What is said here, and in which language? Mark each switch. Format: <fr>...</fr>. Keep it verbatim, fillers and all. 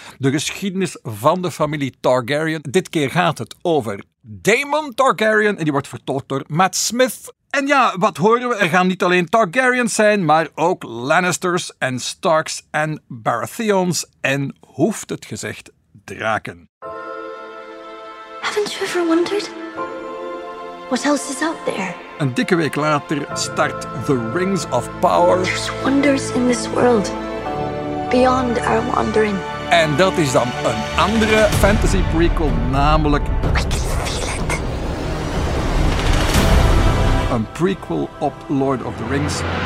<nl>De geschiedenis van de familie Targaryen. Dit keer gaat het over Daemon Targaryen en die wordt vertolkt door Matt Smith. En ja, wat horen we? Er gaan niet alleen Targaryens zijn, maar ook Lannisters en Starks en Baratheons en, hoeft het gezegd, draken.</nl> <en>Haven't you ever wondered what else is out there?</en> <nl>Een dikke week later start The Rings of Power.</nl> <en>There's wonders in this world beyond our wandering.</en> <nl>En dat is dan een andere fantasy prequel, namelijk een prequel op Lord of the Rings.</nl>